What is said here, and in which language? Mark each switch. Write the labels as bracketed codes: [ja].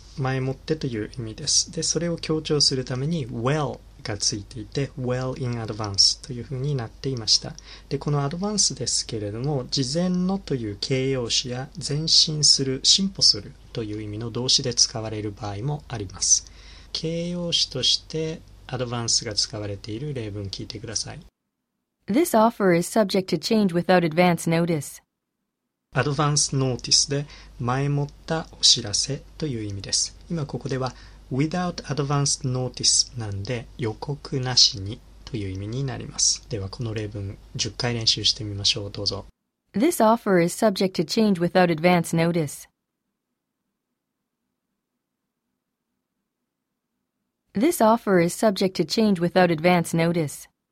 [ja] 前もってという意味です。で、それを強調するために well がついていて、 [en] well in advance [ja] というふうになっていました。で、この advance ですけれども、事前のという形容詞や前進する、進歩する、という意味の動詞で使われる場合もあります。形容詞としてアドバンスが使われている例文聞いてください。 [en] This offer is subject to change without advance notice. [ja] アドバンスノーティスで前もったお知らせという意味です。今ここでは [en] without advance notice [ja] なんで予告なしにという意味になります。ではこの例文10回練習してみましょう。どうぞ。 [en] This offer is subject to change without advance noticeThis offer is subject to change without advance notice.